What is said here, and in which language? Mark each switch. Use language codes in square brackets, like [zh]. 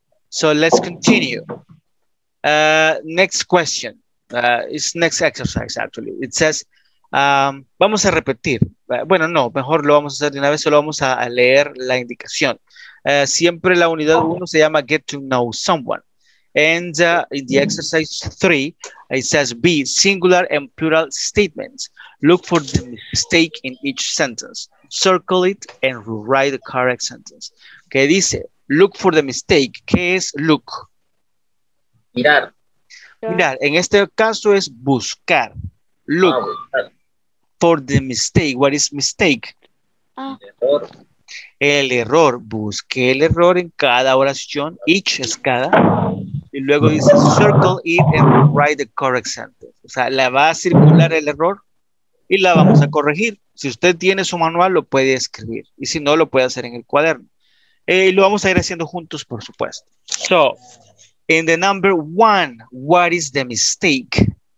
[en] So let's continue. Next question. It's next exercise, actually. It says, [es] vamos a repetir. Bueno, no, mejor lo vamos a hacer de una vez, solo vamos a leer la indicación. Siempre la unidad 1 se llama Get to Know Someone. [en] And in the exercise 3, it says B, singular and plural statements. Look for the mistake in each sentence. Circle it and write the correct sentence. [es] ¿Qué dice? [en] Look for the mistake. [es] ¿Qué es look? Mirar. Mirar. En este caso es buscar. [en] Look. For the mistake. What is mistake? [es] Error. El error, busqué el error en cada oración, each es cada, y luego dice [en] circle it and write the correct sentence. [es] O sea, la va a circular el error y la vamos a corregir. Si usted tiene su manual, lo puede escribir, y si no, lo puede hacer en el cuaderno. Y lo vamos a ir haciendo juntos, por supuesto. [en] So, in the number one, what is the mistake?